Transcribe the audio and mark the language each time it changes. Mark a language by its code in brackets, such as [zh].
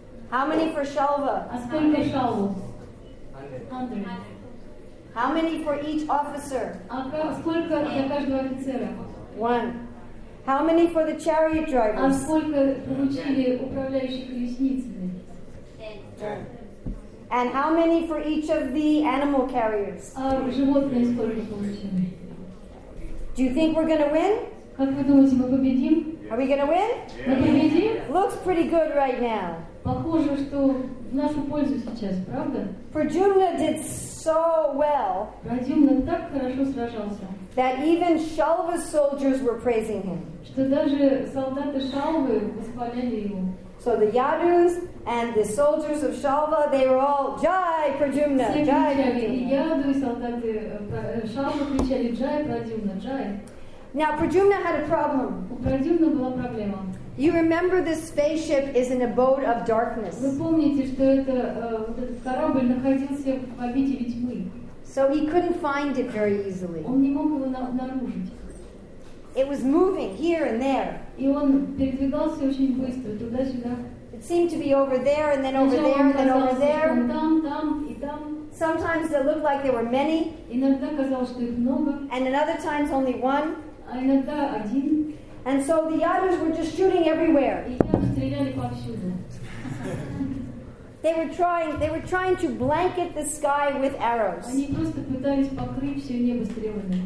[en] How many for Shalva? [ru] А сколько Шалву? [en] 100. How many for each officer? [ru] А сколько для каждого офицера? [en] 1. How many for the chariot drivers? [ru] А сколько получили управляющие колесницами? [en] 10. And how many for each of the animal carriers? [ru] А животные сколько получили? [en] Do you think we're going to win? [ru] Как вы думаете, мы победим? [en] Are we going to win? [ru] Мы победим? [en] Looks pretty good right now. [ru] Похоже, что в нашу пользу сейчас, правда? [en] Prajumna did so well. [ru] Прадюмна так хорошо сражался. [en] That even Shalva's soldiers were praising him. [ru] Что даже солдаты Шалвы восхваляли его. [en] So the Yadus and the soldiers of Shalva, they were all Jai Prajumna, [ru] все [en] Jai. [ru] Все кричали, Яду и солдаты Шалвы кричали Jai Prajumna, Jai. [en] Now Prajumna had a problem. [ru] У Прадюмны была проблема. [en] You remember this spaceship is an abode of darkness. [ru] Вы помните, что это корабль находился в обители тьмы. [en] So he couldn't find it very easily. [ru] Он не мог его обнаружить. [en] It was moving here and there. [ru] И он передвигался очень быстро туда-сюда. [en] It seemed to be over there and then over there and then over there. [ru] Там, и там. [en] Sometimes it looked like there were many. [ru] Иногда казалось, что их много. [en] And in other times only one. [ru] А иногда один. [en] And so the yadus were just shooting everywhere. [ru] И яду стреляли повсюду. [en] They were trying to blanket the sky with arrows. [ru] Они просто пытались покрыть все небо стрелами.